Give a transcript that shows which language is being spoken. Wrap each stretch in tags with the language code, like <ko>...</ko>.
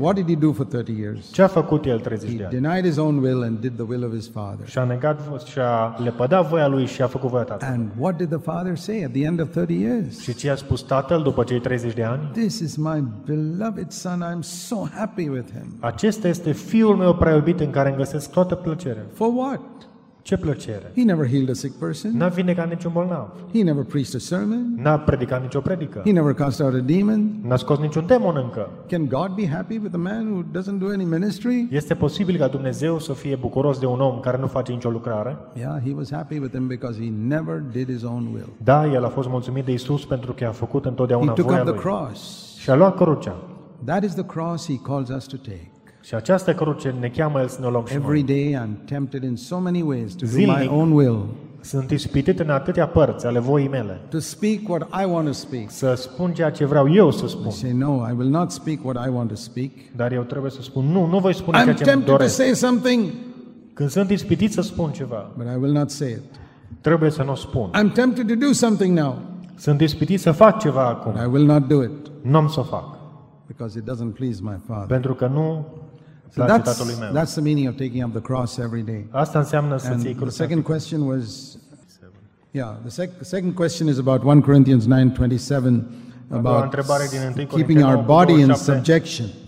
<en>What did he do for 30 years?</en> <ro>Ce a făcut el 30 de ani?</ro> <en>He denied his own will and did the will of his father.</en> <ro>Și a negat și a lepădat voia lui și a făcut voia tatălui.</ro> <en>And what did the father say at the end of 30 years?</en> <ro>Și ce a spus tatăl după cei 30 de ani?</ro> <en>This is my beloved son. I'm so happy with him.</en> <ro>Acesta este fiul meu preiubit în care îmi găsesc toată plăcerea.</ro> <en>For what?</en> <ro>Ce plăcere?</ro> <en>He never healed a sick person.</en> <ro>N-a vindecat niciun bolnav.</ro> <en>He never preached a sermon.</en> <ro>N-a predicat nicio predică.</ro> <en>He never cast out a demon.</en> <ro>N-a scos niciun demon încă.</ro> <en>Can God be happy with a man who doesn't do any ministry?</en> <ro>Este posibil ca Dumnezeu să fie bucuros de un om care nu face nicio lucrare?</ro> <en>Yeah, he was happy with him because he never did his own will.</en> <ro>Da, el a fost mulțumit de Iisus pentru că a făcut întotdeauna voia lui.</ro> <en>He took up the cross.</en> <ro>Și a luat crucea.</ro> <en>That is the cross he calls us to take.</en> <ro>Și această cruce ne cheamă el să ne luăm și noi.</ro> <en>Every day I'm tempted in so many ways to do my own will.</en> <ro>Sunt ispitit în atâtea părți ale voii mele.</ro> <en>To speak what I want to speak.</en> <ro>Să spun ceea ce vreau eu să spun.</ro> <en>I say, no, I will not speak what I want to speak.</en> <ro>Dar eu trebuie să spun nu, nu voi spune ceea ce îmi doresc.</ro> <en>To say something.</en> <ro>Când sunt ispitit să spun ceva.</ro> <en>But I will not say it.</en> <ro>Trebuie să nu spun.</ro> <en>I'm tempted to do something now.</en> <ro>Sunt ispitit să fac ceva acum.</ro> <en>But I will not do it.</en> <ro>N-am să fac.</ro> <en>Because it doesn't please my father.</en> <ro>Pentru că nu.</ro> <en>So that's the meaning of taking up the cross every day.</en> <ro>Asta înseamnă să-ți iei crucea.</ro> <en>The second question was, yeah, the second question is about 1 Corinthians 9:27 about keeping our body in subjection.</en>